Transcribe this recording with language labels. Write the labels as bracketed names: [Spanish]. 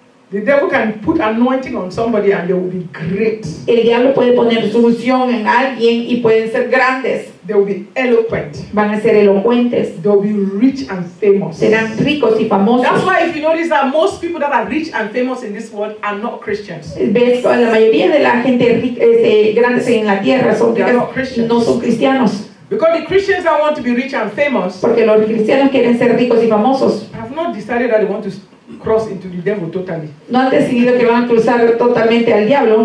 [English] The devil can put anointing on somebody and they will be great. [Spanish] El diablo puede poner su unción en alguien y pueden ser grandes. [English] They will be eloquent. [Spanish] Van a ser elocuentes. [English] They will be rich and famous. [Spanish] Serán ricos y famosos. [English] That's why if you notice that most people that are rich and famous in this world are not Christians. [Spanish] Ves, la mayoría de la gente grandes en la tierra son no son cristianos. [English] Because the Christians that want to be rich and famous, [Spanish] porque los cristianos quieren ser ricos y famosos, [English] have not decided that they want to cross into the devil totally. [Spanish] No han decidido que van a cruzar totalmente al diablo.